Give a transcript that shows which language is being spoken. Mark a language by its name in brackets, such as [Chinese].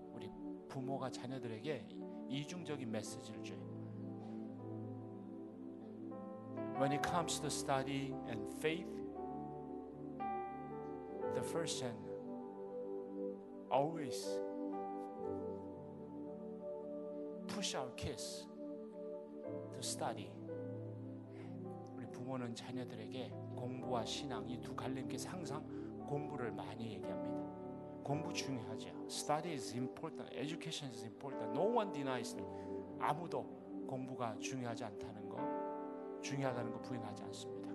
[Korean] 우리 부모가 자녀들에게 이중적인 메시지를 줘요. [English] When it comes to study and faith, the first gen always push our kids to study. [Korean] 우리 부모는 자녀들에게 공부와 신앙 이 두 갈림길 항상 공부를 많이 얘기합니다. 공부 중요하죠. [English] Study is important. Education is important. No one denies it. [Korean] 아무도 공부가 중요하지 않다는 거, 중요하다는 거 부인하지 않습니다.